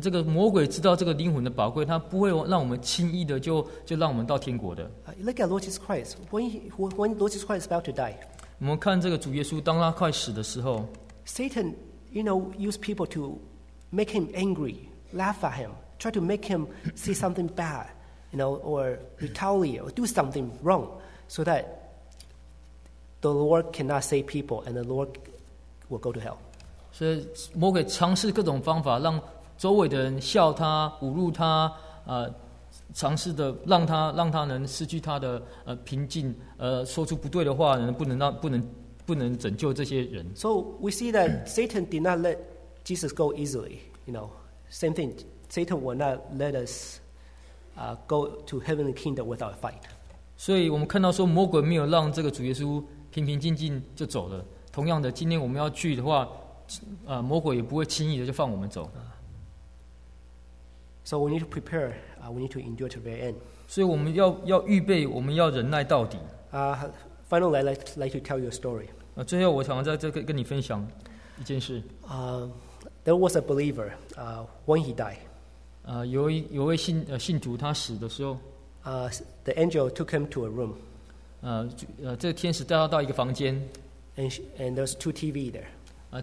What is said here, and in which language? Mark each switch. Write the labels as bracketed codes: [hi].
[zh] 这个魔鬼知道这个灵魂的宝贵，他不会让我们轻易的就让我们到天国的。 [en] Look at Lord Jesus Christ. When Lord Jesus Christ is about to die. [zh] 我们看这个主耶稣当他快死的时候。 [en] Satan, you know, used people to make him angry, laugh at him, try to make him see something bad, you know, or retaliate, or do something wrong, so that the Lord cannot save people, and the Lord will go to hell. [zh] 所以魔鬼尝试各种方法，让周围的人笑他、侮辱他，尝试的让他能失去他的平静，说出不对的话，不能拯救这些人。 [en] So we see that Satan did not let Jesus go easily. You know, same thing. Satan will not let us go to heavenly kingdom without a fight. [zh] 所以我们看到说，魔鬼没有让这个主耶稣平平静静就走了。同样的，今天我们要去的话，魔鬼也不会轻易的就放我们走。 [en] So we need to prepare. We need to endure to the very end. [zh] 所以我们要预备，我们要忍耐到底。 [en] Finally, I'd like to tell you a story. [zh] 最后我想再跟你分享一件事。 [en] There was a believer when he died. [zh] 有位信徒他死的时候。 [en] The angel took him to a room. [zh] 这个天使带他到一个房间。 [en] And there's two TV there.